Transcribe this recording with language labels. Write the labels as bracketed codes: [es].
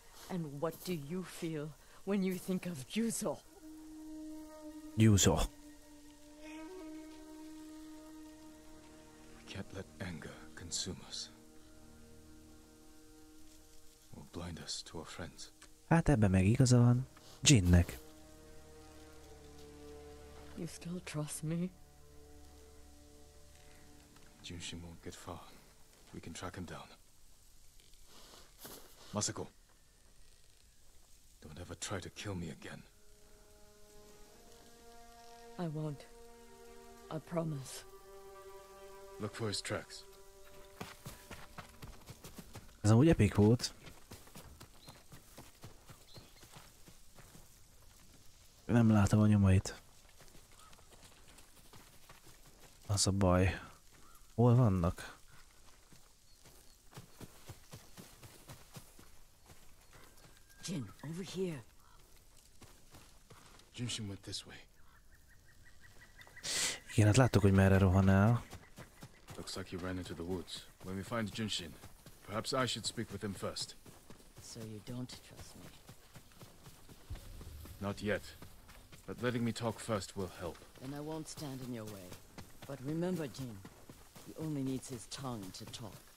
[en] And what do you feel when you think of Yuzo? Yuzo. Can't let anger consume us. Or blind us to our friends. [hu] Hát ebben meg igaza van, Jinnek. [en] You still trust me? Junshin won't get far. We can track him down. Masako. Don't ever try to kill me again. I won't. I promise. Look for his tracks. [hu] Ez amúgy epic volt. Nem látom a nyomait. Az a baj. Hol vannak? [en] Jin, over here. Junshin went this way. [hu] Igen, hát láttuk, hogy merre rohan el. [en] Looks like he ran into the woods. When we find Junshin, perhaps I should speak with him first. So you don't trust me? Not yet. But letting me talk first will help. Then I won't stand in your way. But remember, Jin, he only needs his tongue to talk.